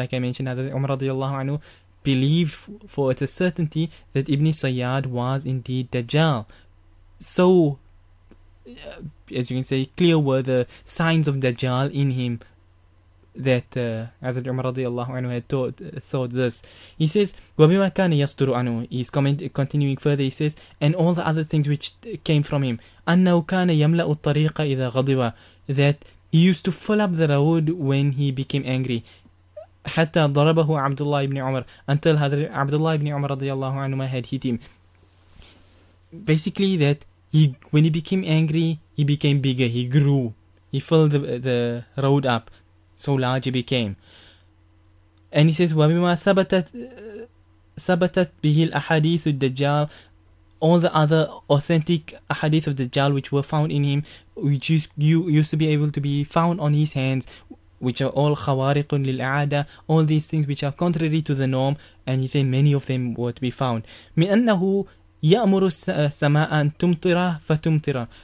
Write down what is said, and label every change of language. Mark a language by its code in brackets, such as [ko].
[en] Like I mentioned, Umar radiallahu anhu believed for the certainty that Ibn Sayyad was indeed Dajjal. So, as you can say, clear were the signs of Dajjal in him that Hazrat Umar radiallahu anhu had thought this. He says, [ar] وَبِمَا كَانَ يَسْتُرُ عَنُهُ. [en] He's continuing further, he says, and all the other things which came from him. [ar] أَنَّهُ كَانَ يَمْلَأُ الطَّرِيقَ إِذَا غَضِبَ. [en] That he used to fill up the road when he became angry. [ar] حَتَّى ضَرَبَهُ عَبْدُ اللَّهِ بْنِ عُمَرَ. [en] Until Hazrat Abdullah ibn Umar radiallahu anhu had hit him. Basically that when he became angry, he became bigger, he grew. He filled the road up. So large he became. And he says, [ar] وَبِمَا ثَبَتَتْ بِهِ الْأَحَادِيثُ الدَّجَّالِ. [en] All the other authentic ahadith of Dajjal which were found in him, which you used to be able to be found on his hands, which are all [ar] خَوَارِقٌ لِلْأَعَادَ, [en] all these things which are contrary to the norm, and he said many of them were to be found. [ar] مِنْ أَنَّهُ يَأْمُرُ السَّمَاءَ أَنْ تُمْطِرَ فَتُمْطِرَ.